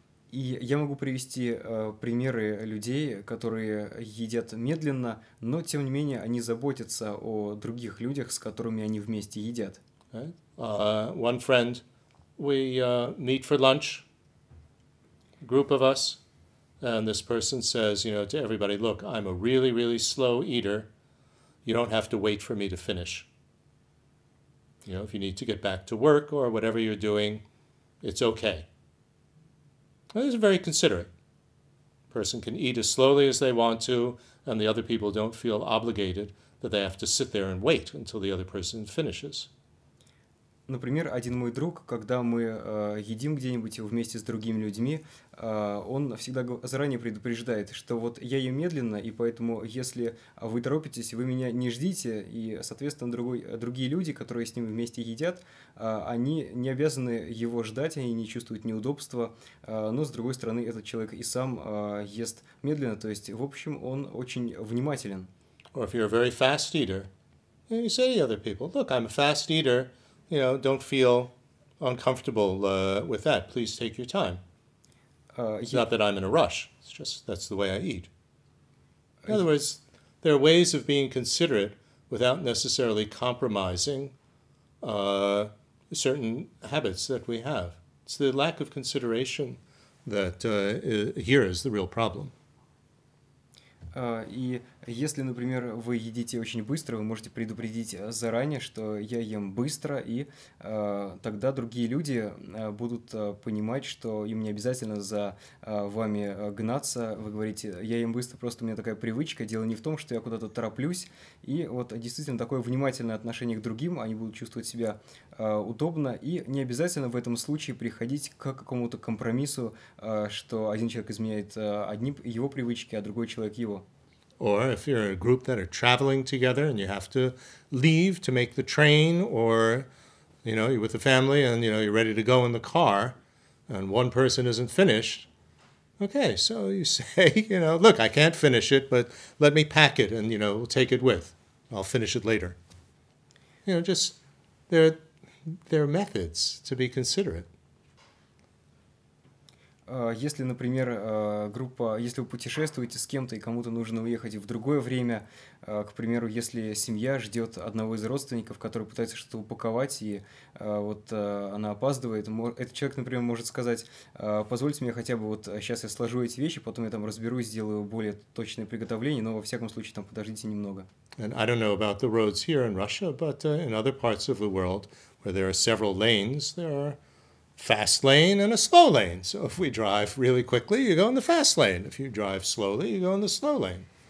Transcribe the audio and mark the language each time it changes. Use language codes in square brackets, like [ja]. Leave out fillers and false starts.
[ru] И я могу привести примеры людей, которые едят медленно, но тем не менее они заботятся о других людях, с которыми они вместе едят. [en] Right. One friend, we meet for lunch, group of us, and this person says, you know, to everybody, look, I'm a really, really slow eater. You don't have to wait for me to finish. You know, if you need to get back to work or whatever you're doing, it's okay. Well, it's very considerate. Person can eat as slowly as they want to, and the other people don't feel obligated that they have to sit there and wait until the other person finishes. [ru] Например, один мой друг, когда мы едим где-нибудь вместе с другими людьми, он всегда заранее предупреждает, что вот я ем медленно, и поэтому, если вы торопитесь, вы меня не ждите, и, соответственно, другие люди, которые с ним вместе едят, они не обязаны его ждать, они не чувствуют неудобства, но, с другой стороны, этот человек и сам ест медленно, то есть, в общем, он очень внимателен. [en] Or if you're a very fast eater, you say to other people, look, I'm a fast eater. You know, don't feel uncomfortable with that. Please take your time. It's not that I'm in a rush. It's just that's the way I eat. In other words, there are ways of being considerate without necessarily compromising certain habits that we have. It's the lack of consideration that here is the real problem. [ru] И если, например, вы едите очень быстро, вы можете предупредить заранее, что я ем быстро, и тогда другие люди будут понимать, что им не обязательно за вами гнаться. Вы говорите, я ем быстро, просто у меня такая привычка, дело не в том, что я куда-то тороплюсь. И вот действительно такое внимательное отношение к другим, они будут чувствовать себя удобно. И не обязательно в этом случае приходить к какому-то компромиссу, что один человек изменяет одни его привычки, а другой человек его. [en] Or if you're a group that are traveling together and you have to leave to make the train, or, you know, you're with the family and, you know, you're ready to go in the car and one person isn't finished, okay, so you say, you know, look, I can't finish it, but let me pack it and, you know, we'll take it with. I'll finish it later. You know, just there are methods to be considerate. [ru] Если, например, группа, если вы путешествуете с кем-то и кому-то нужно уехать в другое время, к примеру, если семья ждет одного из родственников, который пытается что-то упаковать, и вот она опаздывает, этот человек, например, может сказать, позвольте мне хотя бы вот сейчас я сложу эти вещи, потом я там разберусь, сделаю более точное приготовление, но во всяком случае там подождите немного. [en] And I don't know about the roads here in Russia, but in other parts of the world where there are several lanes, there are fast lane and a slow lane. So if we drive really quickly, you go in the fast lane. If you drive slowly, you go in the slow lane.